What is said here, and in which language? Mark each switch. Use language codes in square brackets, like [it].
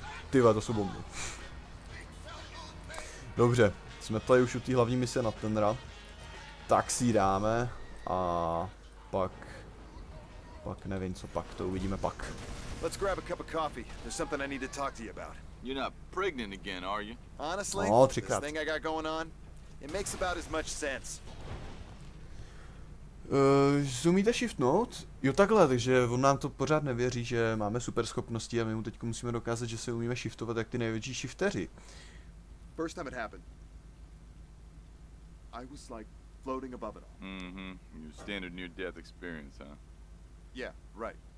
[cs] Tyva, to jsou bomby. Dobře, jsme tady už u té hlavní mise na Tenra. Tak si dáme a pak nevím co, pak to uvidíme pak. [en] Let's grab a cup of coffee. There's something I need to talk to you about. You're not pregnant again, are you? Honestly, this thing I got going on, it makes about as much sense. [cs] Zumíte shiftnout? Jo takhle, takže on nám to pořád nevěří, že máme super schopnosti a my mu teďka musíme dokázat, že se umíme shiftovat jak ty největší shifteři. [en] First time it happened. I was like floating above it all. Mm-hmm. Your standard near-death experience, huh? Yeah, right.